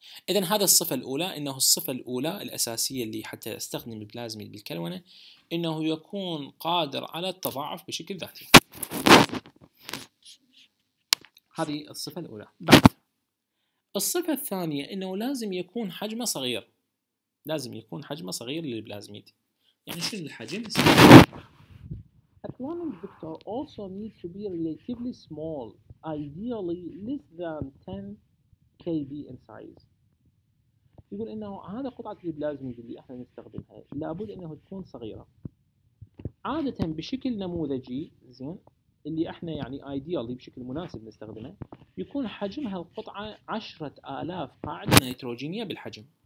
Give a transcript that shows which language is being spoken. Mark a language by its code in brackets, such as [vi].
[ar] إذن هذا الصفة الأولى، إنه الصفة الأولى الأساسية اللي حتى استخدم البلازميد بالكلونة، إنه يكون قادر على التضاعف بشكل ذاتي. هذه الصفة الأولى. بعد الصفة الثانية، إنه لازم يكون حجمه صغير، لازم يكون حجمه صغير للبلازميد. يعني شو الحجم؟ [en] Atomic vector also need to be relatively small, ideally less than 10 kb in size. [ar] يقول إنه هذا قطعة البلازميد اللي إحنا نستخدمها لابد إنه تكون صغيرة. عادة بشكل نموذجي زين اللي إحنا يعني ideally بشكل مناسب نستخدمه يكون حجمها القطعة 10,000 قاعدة نيتروجينية بالحجم.